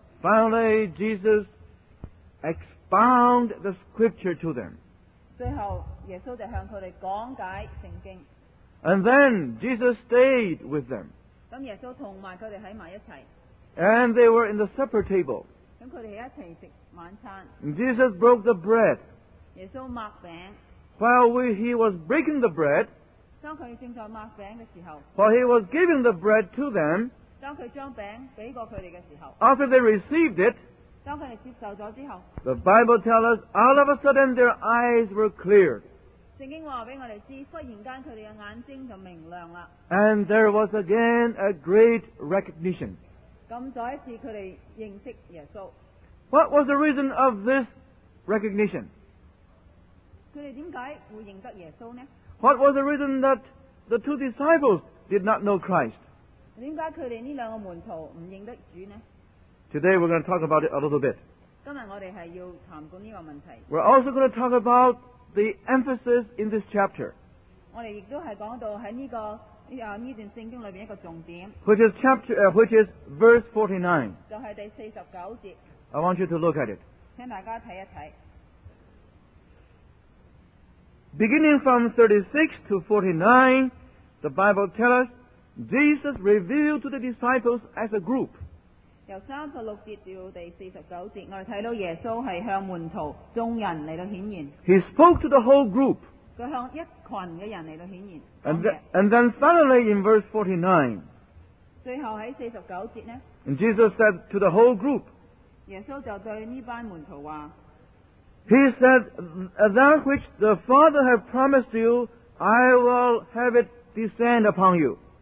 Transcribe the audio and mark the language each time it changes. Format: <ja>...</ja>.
<en>Finally, Jesus expounded the scripture to them.</en> <zh>最後耶穌就向他們講解聖經,</zh> <en>and then Jesus stayed with them.</en> <zh>耶穌和他們在一起,</zh> <en>and they were in the supper table.</en> <zh>他們在一起吃晚餐,</zh> <en>Jesus broke the bread.</en> <zh>耶穌擘餅,</zh> <en>while He was breaking the bread,</en> <zh>當他正在擘餅的時候,</zh> <en>while He was giving the bread to them,</en> <zh>當他將餅給過他們的時候,</zh> <en>after they received it,</en> <zh>當他們接受了之後,</zh> <en>the Bible tells us, all of a sudden their eyes were cleared.</en> <zh>聖經告訴我們知, 忽然間他們的眼睛就明亮了,</zh> <en>and there was again a great recognition.</en> <zh>再一次他們認識耶穌.</zh> <en>What was the reason of this recognition?</en> <zh>他們為何會認得耶穌呢?</zh> <en>What was the reason that the two disciples did not know Christ?</en> <zh>為何他們這兩個門徒不認得主呢?</zh> <en>Today we're going to talk about it a little bit.</en> <zh>今天我們是要談論這個問題.</zh> <en>We're also going to talk about the emphasis in this chapter,</en> <zh>我們也是講到在這段聖經裡面一個重點,</zh> <en>which is chapter, which is verse 49.</en> <zh>就是第49節.</zh> <en>I want you to look at it.</en> <zh>請大家看一看.</zh> <en>Beginning from 36 to 49, the Bible tells us Jesus revealed to the disciples as a group.</en> <zh>由36節到第49節, 我們看到耶穌是向門徒眾人來顯現.</zh> <en>He spoke to the whole group.</en> <zh>他向一群的人來顯現.</zh> <en>And then finally in verse 49,</en> <zh>最後在49節呢,</zh> <en>and Jesus said to the whole group,</en> <zh>耶穌就對這班門徒說,</zh> <en>He said, that which the Father has promised you, I will have it descend upon you.</en>